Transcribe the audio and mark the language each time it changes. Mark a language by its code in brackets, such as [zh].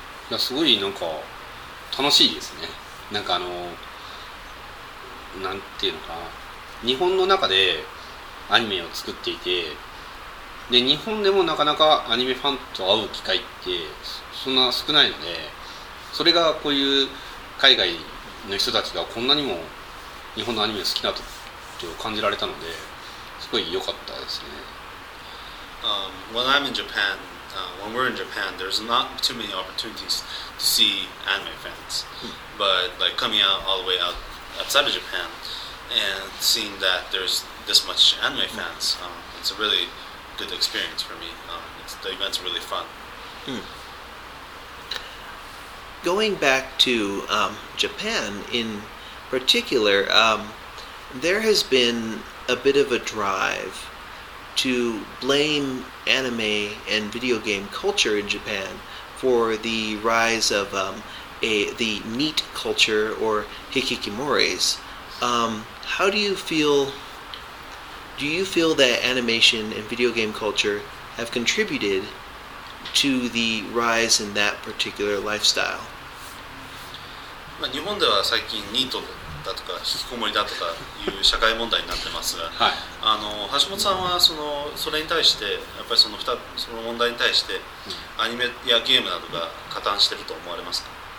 [ja] いやすごいなんか楽しいですね。なんかなんていうのか、日本の中でアニメを作っていて、で日本でもなかなかアニメファンと会う機会ってそんな少ないので、それがこういう海外の人たちがこんなにも日本のアニメを好きだとを感じられたので、すごい良かったですね。 [en] When I'm in Japan, when we're in Japan, there's not too many opportunities to see anime fans. But like coming out all the way out outside of Japan and seeing that there's this much anime fans, it's a really good experience for me. The event's really fun. Going back to Japan in particular, there has been a bit of a drive to blame anime and video game culture in Japan for the rise of the meat culture or hikikomoris. How do you feel? Do you feel that animation and video game culture have contributed to the rise in that particular lifestyle? [ja] まあ、日本では最近ニートだとか引きこもりだとかいう社会問題になってますが、はい、あの橋本さんはそれに対してやっぱりその問題に対してアニメやゲームなどが加担してると思われますか？